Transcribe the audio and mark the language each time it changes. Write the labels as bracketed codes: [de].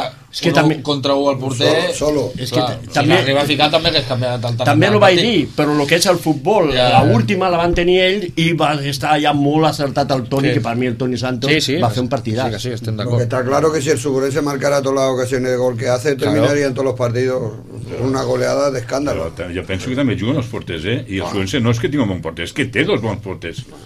[ca] És que també contra un al porter. [es] Solo. [ca] És que també arriba a ficar també que es canvia tant. També lo vaig dir, però lo que és el futbol, la última la van tenir ell i va estar ja molt acertat el Toni, que per mi el Toni Santos va fer un partidàs. Sí, sí, estem d'acord. [es] Lo que está claro que si el Sobrense marcara todas las ocasiones de gol que hace, terminaría en todos los partidos una goleada de escándalo. [ca] Yo penso que també juguen els porters, eh? I el Sobrense no és que tingui un bon porter, és que té dos bons porters.